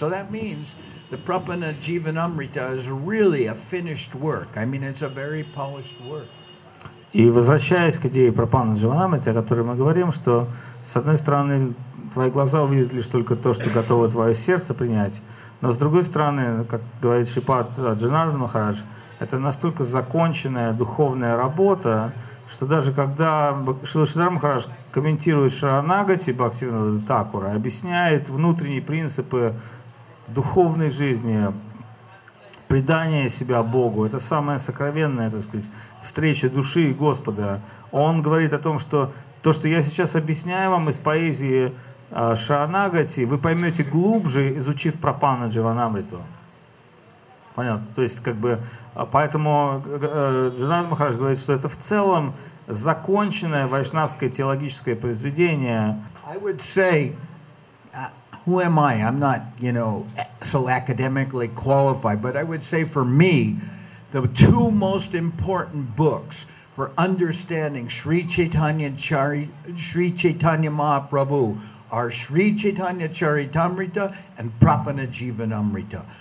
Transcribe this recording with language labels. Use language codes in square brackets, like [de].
[en] So that means the Prapana Jivanamrita is really a finished work. I mean, it's a very polished work. [ru] И возвращаясь к идее Прапана Дживанамрита, о которой мы говорим, что, с одной стороны, твои глаза увидят лишь только то, что готово твое сердце принять, но, с другой стороны, как говорит Шипат Джанардан Махарадж, это настолько законченная духовная работа, что даже когда Шрила Шридхара Махарадж комментирует Шаранагати Бхактивинода Такура, объясняет внутренние принципы духовной жизни, предание себя Богу, это самое сокровенное, так сказать, встреча души и Господа. Он говорит о том, что то, что я сейчас объясняю вам из поэзии Шаранагати, вы поймете глубже, изучив Прапана Дживанамриту. Понятно. То есть, как бы, поэтому Джанард Махарадж говорит, что это в целом законченное вайшнавское теологическое произведение. [en] I would say, who am I? I'm not, you know, so academically qualified, but I would say for me, the two most important books for understanding Sri Chaitanya Mahaprabhu are Sri Chaitanya Charitamrita and Prapanajivanamrita.